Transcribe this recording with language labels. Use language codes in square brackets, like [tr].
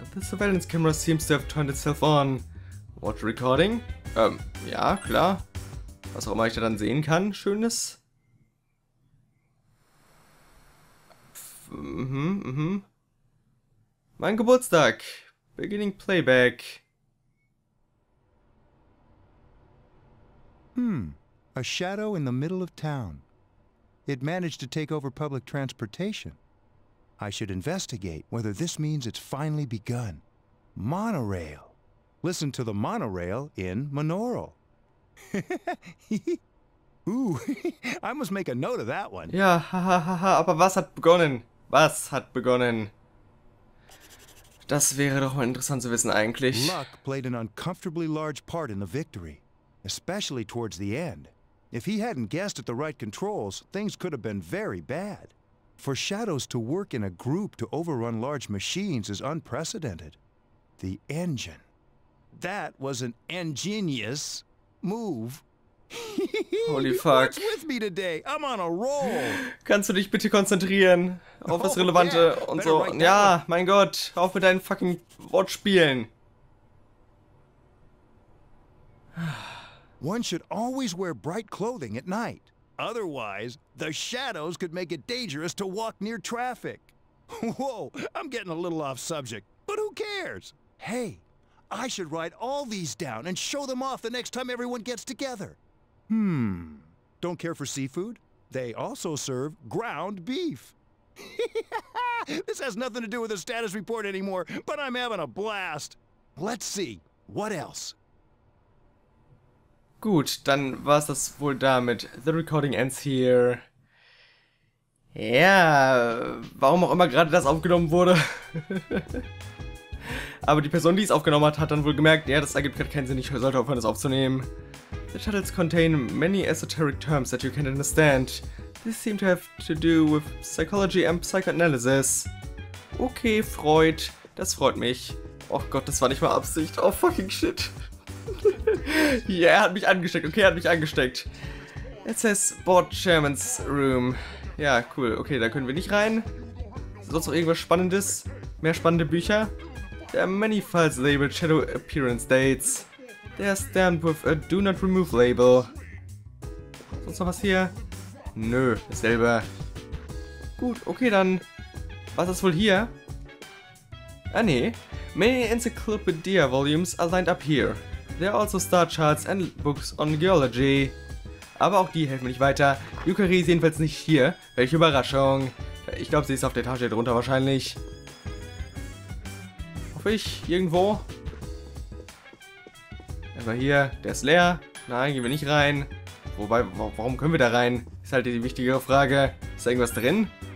[en] The surveillance camera seems to have turned itself on. Watch recording? [de] Ja, klar. Was auch immer ich da dann sehen kann, schönes. Mein Geburtstag. [en] Beginning Playback. A shadow in the middle of town. It managed to take over public transportation. I should investigate whether this means it's finally begun. Monorail. Listen to the monorail in Monoral. I must make a note of that one. [de] Ja, aber was hat begonnen? Was hat begonnen? Das wäre doch mal interessant zu wissen eigentlich. [en] Luck played an uncomfortably large part in the victory, especially towards the end. If he hadn't guessed at the right controls, things could have been very bad. For shadows to work in a group to overrun large machines is unprecedented. The engine. That was an ingenious move. Holy fuck. With me today. I'm on a roll. [de] Kannst du dich bitte konzentrieren auf das Relevante und so? Ja, mein Gott, auf mit deinen fucking Wortspielen. [en] One should always wear bright clothing at night. Otherwise, the shadows could make it dangerous to walk near traffic. Whoa, I'm getting a little off subject, but who cares? Hey, I should write all these down and show them off the next time everyone gets together. Don't care for seafood? They also serve ground beef. This has nothing to do with the status report anymore, but I'm having a blast. Let's see, what else? [de] Gut, dann war's das wohl damit. [en] The recording ends here. [de] Ja, warum auch immer gerade das aufgenommen wurde. Aber die Person, die es aufgenommen hat, hat dann wohl gemerkt, ja, das ergibt gerade keinen Sinn, ich sollte aufhören, das aufzunehmen. [en] The shuttles contain many esoteric terms that you can't understand. This seem to have to do with psychology and psychoanalysis. [de] Okay, Freud, das freut mich. Oh Gott, das war nicht mal Absicht. [en] Oh fucking shit. [de] Ja, er hat mich angesteckt. Okay, er hat mich angesteckt. [en] It says Board Chairman's Room. [de] Ja, cool. Okay, da können wir nicht rein. Sonst noch irgendwas Spannendes? Mehr spannende Bücher? [en] There are many files labeled Shadow Appearance Dates. They are stamped with a Do Not Remove Label. [de] Sonst noch was hier? Nö, dasselbe. Gut, okay dann. Was ist wohl hier? Ah nee. [en] Many Encyclopedia Volumes are lined up here. There are also Star Charts and Books on Geology. [de] Aber auch die helfen nicht weiter. Yukari ist jedenfalls nicht hier. Welche Überraschung. Ich glaube, sie ist auf der Etage drunter wahrscheinlich. Hoffe ich, irgendwo. Aber hier, der ist leer. Nein, gehen wir nicht rein. Wobei, warum können wir da rein? Ist halt die wichtigere Frage. Ist da irgendwas drin?